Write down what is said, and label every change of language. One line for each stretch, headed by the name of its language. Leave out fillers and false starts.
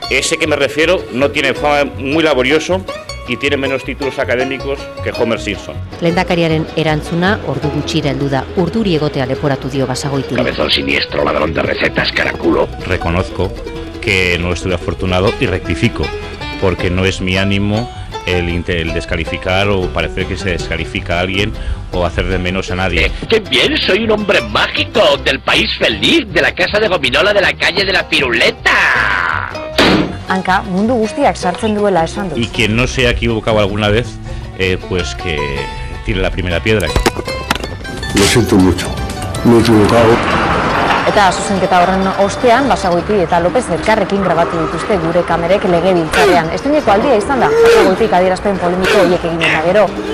Spanish: Ese que me refiero no tiene fama muy laborioso y tiene menos títulos académicos que Homer Simpson.
Basque: Lehendakariaren erantzuna ordu gutxira heldu da. Urduri egotea leporatu dio Basagoitik.
Spanish: Cabezón siniestro, ladrón de recetas, caraculo. Reconozco que no estuve afortunado y rectifico, porque no es mi ánimo el descalificar o parecer que se descalifica a alguien o hacer de menos a nadie. ¡Qué bien! ¡Soy un hombre mágico del país feliz, de la casa de Gominola, de la calle de la piruleta!
Basque: Anka, mundu guztiak sartzen duela esan dut.
Spanish: Y quien no se ha equivocado alguna vez, pues que tire la primera piedra. Lo siento mucho, me he equivocado.
Basque: Eta zuzenketa horren ostean, Basagoiti eta López elkarrekin grabatu dituzte gure kamerek legebiltzarrean. Estreneko aldia izan da, Basagoitik adierazpen polemiko horiek egin eta gero.